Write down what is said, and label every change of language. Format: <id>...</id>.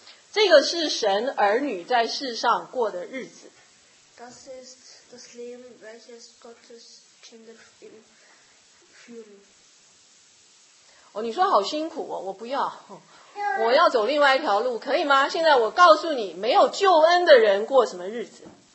<zh>这个是神儿女在世上过的日子。</zh> <de>Das ist das Leben, welches Gottes Kinder führen.</de> <zh>哦，你说好辛苦哦，我不要，我要走另外一条路，可以吗？现在我告诉你，没有救恩的人过什么日子。</zh>